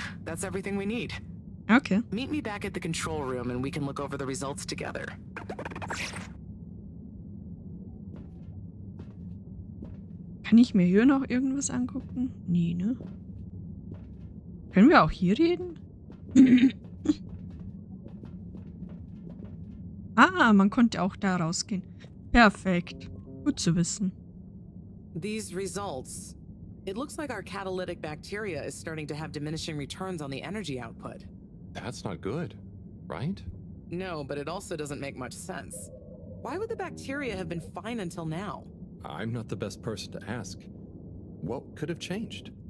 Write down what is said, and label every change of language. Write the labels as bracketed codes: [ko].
[en] That's everything we need. Okay. Meet me back at the control room and we can look over the results together. [de] Kann ich mir hier noch irgendwas angucken? Nee, ne? Können wir auch hier reden? Ah, man konnte auch da rausgehen. Perfekt. Gut zu wissen. [en] These results. It looks like our catalytic bacteria is starting to have diminishing returns on the energy output. That's not good, right? No, but it also doesn't make much sense. Why would the bacteria have been fine until now? I'm not the best person to ask. What could have changed?